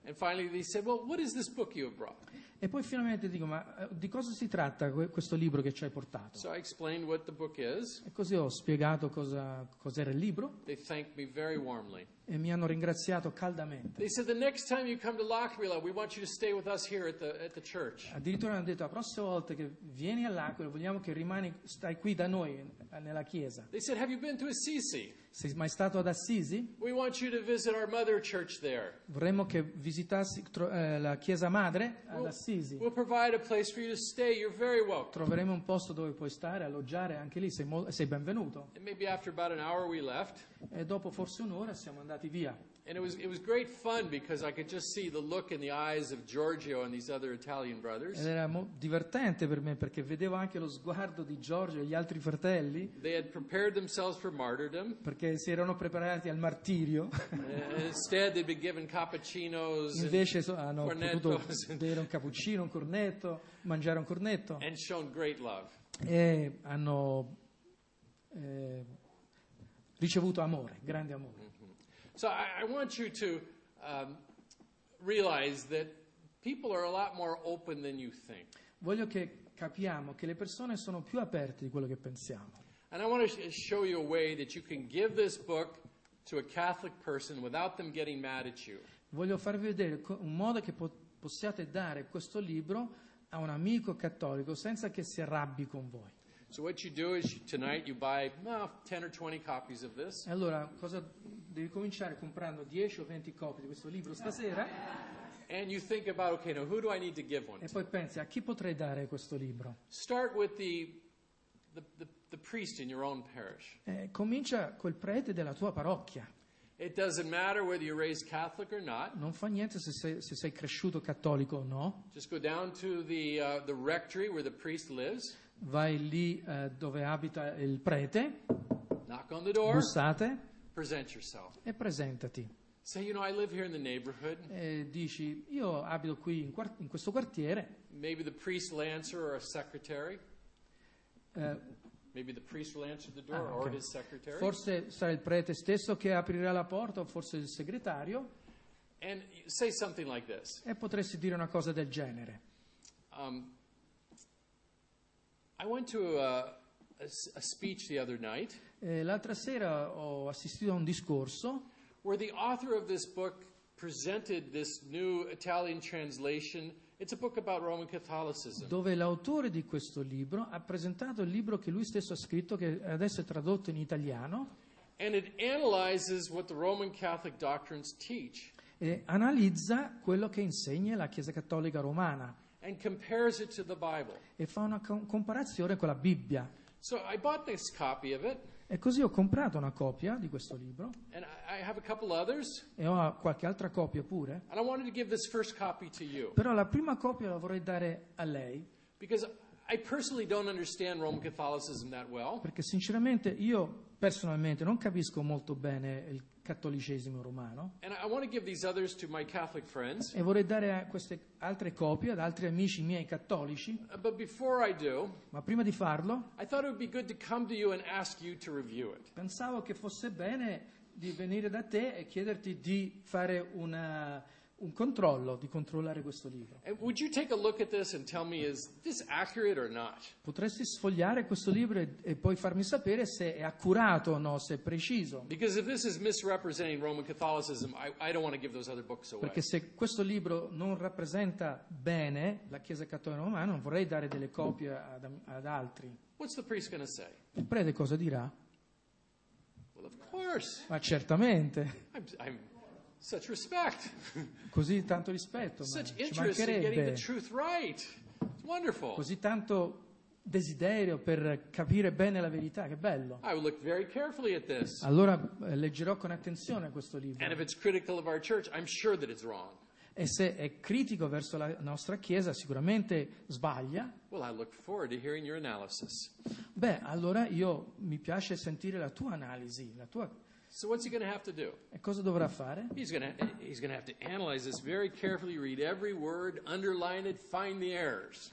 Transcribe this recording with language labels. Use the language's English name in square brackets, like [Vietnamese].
[English] And finally they said, well, what is this book you have brought? [Italian] E poi finalmente dico, ma di cosa si tratta questo libro che ci hai portato? [English] So I explained what the book is. [Italian] E così ho spiegato cos'era il libro. [English] They thanked me very warmly. [Italian] E mi hanno ringraziato caldamente. [English] They said, the next time you come to L'Aquila, we want you to stay with us here at the church. [Italian] Addirittura hanno detto, la prossima volta che vieni all'Aquila, vogliamo che rimani, stai qui da noi nella chiesa. [English] They said, have you been to Assisi? [Italian] Sei mai stato ad Assisi? [English] We want you to visit our mother church there. [Italian] Vorremmo che visitassi la chiesa madre ad Assisi. [English] We'll provide a place for you to stay. You're very welcome. [Italian] Troveremo un posto dove puoi stare, alloggiare anche lì. Sei benvenuto. [English] And maybe after about an hour we left. [Italian] E dopo forse un'ora siamo andati via. [English] And it was great fun because I could just see the look in the eyes of Giorgio and these other Italian brothers. [Italian] Ed era divertente per me perché vedevo anche lo sguardo di Giorgio e gli altri fratelli. [English] They had prepared themselves for martyrdom. [Italian] Perché si erano preparati al martirio. [English] Instead they'd been given cappuccinos. [Italian] Invece hanno potuto bere un cappuccino, un cornetto, mangiare un cornetto. [English] And shown great love. [Italian] E hanno ricevuto amore, grande amore. [English] So I want you to realize that people are a lot more open than you think. [Italian] Voglio che capiamo che le persone sono più aperte di quello che pensiamo. [English] And I want to show you a way that you can give this book to a Catholic person without them getting mad at you. [Italian] Voglio farvi vedere un modo che possiate dare questo libro a un amico cattolico senza che si arrabbi con voi. [English] So what you do is tonight you buy 10 or 20 copies of this. [Italian] Allora, cosa devi cominciare comprando 10 o 20 copie di questo libro stasera? [English] And you think about, okay, now who do I need to give one? [Italian] E poi pensi a chi potrei dare questo libro? [English] Start with the priest in your own parish. [Italian] Comincia col prete della tua parrocchia. [English] It doesn't matter whether you're raised Catholic or not. [Italian] Non fa niente se sei cresciuto cattolico o no. [English] Just go down to the rectory where the priest lives. [Italian] Vai lì dove abita il prete. [English] Knock on the door. [Italian] Bussate. [English] Present yourself. [Italian] E presentati. [English] Say, you know, I live here in the neighborhood. [Italian] E dici, io abito qui in questo quartiere. [English] Maybe the priest will answer or a secretary. Maybe the priest will answer the door or his secretary. [Italian] Forse sarà il prete stesso che aprirà la porta o forse il segretario. [English] And say something like this. [Italian] E potresti dire una cosa del genere. [English] I went to a speech the other night. [Italian] L'altra sera ho assistito a un discorso [English] where the author of this book presented this new Italian translation. It's a book about Roman Catholicism. [Italian] Dove l'autore di questo libro ha presentato il libro che lui stesso ha scritto, che adesso è tradotto in italiano. [English] And it analyzes what the Roman Catholic doctrines teach. [Italian] E analizza quello che insegna la Chiesa Cattolica Romana. [English] And compares it to the Bible. [Italian] E fa una comparazione con la Bibbia. [English] So I bought this copy of it. [Italian] E così ho comprato una copia di questo libro. [English] And I have a couple others. [Italian] E ho qualche altra copia pure. [English] And I wanted to give this first copy to you. [Italian] Però la prima copia la vorrei dare a lei. [English] Because I personally don't understand Roman Catholicism that well. [Italian] Perché sinceramente io personalmente non capisco molto bene il cattolicesimo romano. [English] And I want to give these others to my Catholic friends. [Italian] E vorrei dare queste altre copie ad altri amici miei cattolici. [English] But before I do, [Italian] ma prima di farlo, [English] I thought it would be good to come to you and ask you to review it. [Italian] Pensavo che fosse bene di venire da te e chiederti di fare una un controllo, di controllare questo libro. [English] And would you take a look at this and tell me, is this accurate or not? [Italian] Potresti sfogliare questo libro e poi farmi sapere se è accurato o no, se è preciso. [English] Because if this is misrepresenting Roman Catholicism, I don't want to give those other books away. [Italian] Perché se questo libro non rappresenta bene la Chiesa Cattolica Romana, non vorrei dare delle copie ad altri. [English] What's the priest going to say? [Italian] Il prete cosa dirà? [English] Well, of course. [Italian] Ma certamente. [English] Such respect. [Italian] Così tanto rispetto. [English] Such [Italian] ci [English] interest [Italian] mancherebbe. [English] In getting the truth right. It's wonderful. [Italian] Così tanto desiderio per capire bene la verità. Che bello. [English] I will look very carefully at this. [Italian] Allora leggerò con attenzione questo libro. [English] And if it's critical of our church, I'm sure that it's wrong. [Italian] E se è critico verso la nostra chiesa, sicuramente sbaglia. [English] Well, I look forward to hearing your analysis. [Italian] Beh, allora io mi piace sentire la tua analisi, la tua. [English] So what's he going to have to do? [Italian] E cosa dovrà fare? [English] He's going to have to analyze this very carefully, read every word, underline it, find the errors.